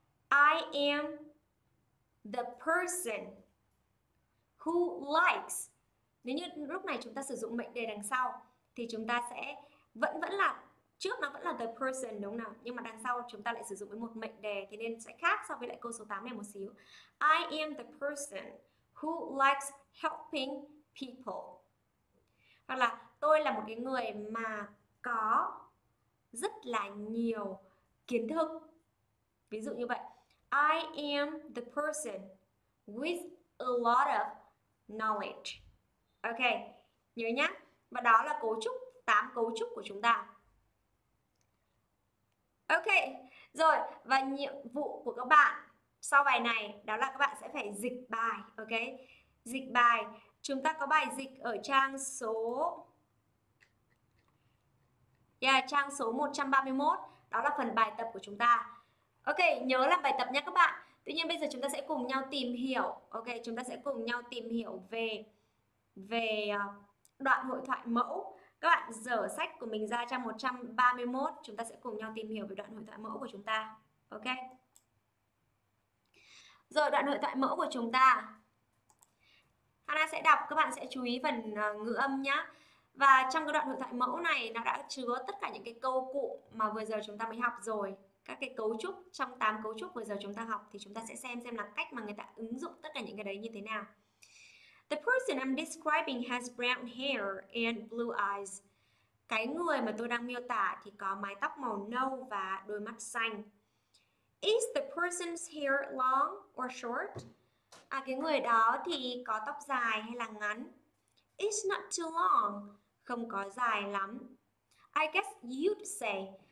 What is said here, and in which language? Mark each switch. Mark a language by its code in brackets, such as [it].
[en] I am the person who likes. [vi] Nếu như lúc này chúng ta sử dụng mệnh đề đằng sau thì chúng ta sẽ vẫn vẫn là trước nó vẫn là [en] the person [vi] đúng không nào? Nhưng mà đằng sau chúng ta lại sử dụng với một mệnh đề thì nên sẽ khác so với lại câu số 8 này một xíu. [en] I am the person who likes helping people. [vi] Hoặc là tôi là một cái người mà có rất là nhiều kiến thức. Ví dụ như vậy. [en] I am the person with a lot of knowledge. [vi] Ok, nhớ nhá. Và đó là cấu trúc, 8 cấu trúc của chúng ta. Ok, rồi. Và nhiệm vụ của các bạn sau bài này, đó là các bạn sẽ phải dịch bài. Ok, dịch bài. Chúng ta có bài dịch ở trang số... trang số 131. Đó là phần bài tập của chúng ta. Ok, nhớ làm bài tập nha các bạn. Tuy nhiên bây giờ chúng ta sẽ cùng nhau tìm hiểu. Ok, chúng ta sẽ cùng nhau tìm hiểu về về đoạn hội thoại mẫu. Các bạn dở sách của mình ra trang 131. Chúng ta sẽ cùng nhau tìm hiểu về đoạn hội thoại mẫu của chúng ta. Ok. Rồi, đoạn hội thoại mẫu của chúng ta. Hana sẽ đọc, các bạn sẽ chú ý phần ngữ âm nhá. Và trong cái đoạn hội thoại mẫu này nó đã chứa tất cả những cái câu cụm mà vừa giờ chúng ta mới học rồi. Các cái cấu trúc trong 8 cấu trúc vừa giờ chúng ta học thì chúng ta sẽ xem là cách mà người ta ứng dụng tất cả những cái đấy như thế nào. [en] The person I'm describing has brown hair and blue eyes. [vi] Cái người mà tôi đang miêu tả thì có mái tóc màu nâu và đôi mắt xanh. [en] Is the person's hair long or short? [vi] À, cái người đó thì có tóc dài hay là ngắn? [en] It's not too long. [vi] Không có dài lắm. [en] I guess you'd say.